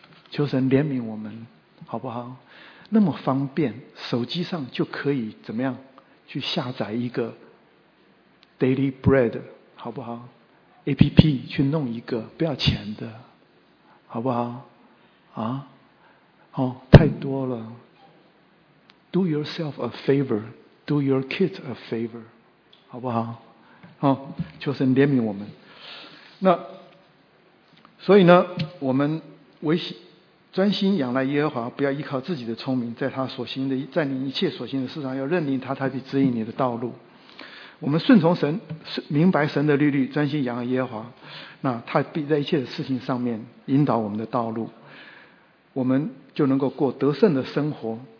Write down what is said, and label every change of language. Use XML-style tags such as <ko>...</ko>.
<zh>求神怜悯我们好不好？那么方便，手机上就可以怎么样去下载一个 Daily Bread 好不好？ APP 去弄一个不要钱的好不好？啊，哦，太多了。</zh> <en>Do yourself a favor, Do your kids a favor</en> <zh>好不好？哦，求神怜悯我们。那所以呢，我们维系专心仰赖耶和华，不要依靠自己的聪明，在他所行的，在你一切所行的事上要认定他，他必指引你的道路。我们顺从神，明白神的律例，专心仰赖耶和华，那他必在一切的事情上面引导我们的道路，我们就能够过得胜的生活。</zh>